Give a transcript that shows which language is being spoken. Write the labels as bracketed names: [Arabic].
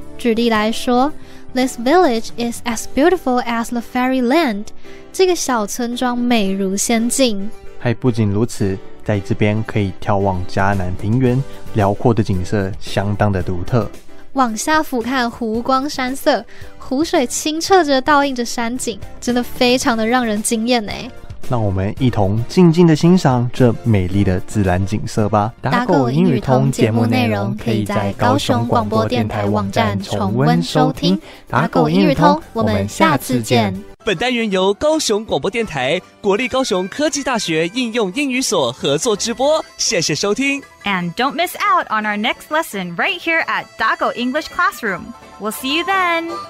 [Chinese] 举例来说 [English] ，This village is as beautiful as the Fairyland. [Chinese] 这个小村庄美如仙境。还不仅如此，在这边可以眺望嘉南平原，辽阔的景色相当的独特。往下俯瞰湖光山色，湖水清澈着倒映着山景，真的非常的让人惊艳哎。让我们一同静静的欣赏这美丽的自然景色吧。打狗英语通节目内容可以在高雄广播电台网站重温收听。打狗英语通，我们下次见。本单元由高雄广播电台、国立高雄科技大学应用英语所合作直播，谢谢收听。 [English] And don't miss out on our next lesson right here at 打狗 English Classroom. We'll see you then.